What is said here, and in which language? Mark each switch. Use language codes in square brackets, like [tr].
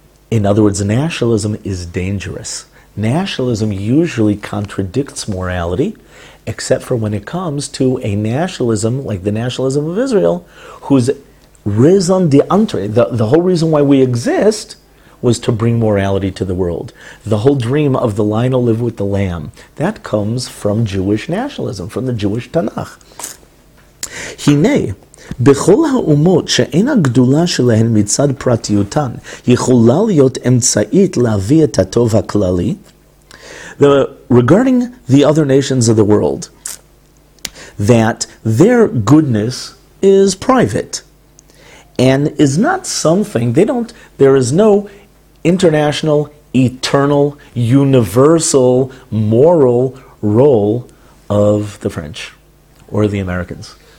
[en] In other words, nationalism is dangerous. Nationalism usually contradicts morality, except for when it comes to a nationalism, like the nationalism of Israel, whose raison d'etre, the whole reason why we exist, was to bring morality to the world. The whole dream of the lion will live with the lamb, that comes from Jewish nationalism, from the Jewish Tanakh. [he] Hine, בכל האומות שאין הגדולה שלהן מצד פרטיותן יכולה להיות אמצעית להביא את הטוב הכללי. [en] Regarding the other nations of the world, that their goodness is private and is not something, there is no international, eternal, universal, moral role of the French or the Americans.